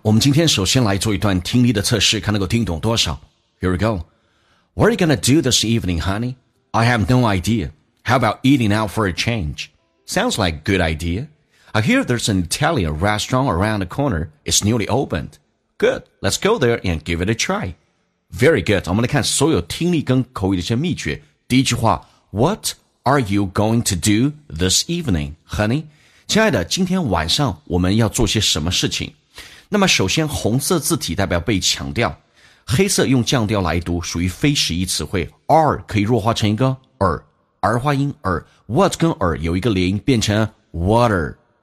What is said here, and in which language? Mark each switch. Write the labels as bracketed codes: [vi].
[zh] 我们今天首先来做一段听力的测试，看能够听懂多少。 [en] Here we go. What are you gonna do this evening, honey? I have no idea. How about eating out for a change? Sounds like a good idea. I hear there's an Italian restaurant around the corner. It's newly opened. Good, let's go there and give it a try. Very good. [zh] 我们来看所有听力跟口语的一些秘诀。第一句话 [en] What are you going to do this evening, honey? [zh] 亲爱的，今天晚上我们要做些什么事情？那么首先，红色字体代表被强调，黑色用降调来读，属于非实义词汇。 Are 可以弱化成一个 儿化音 儿。What 跟 儿有一个连音，变成 water。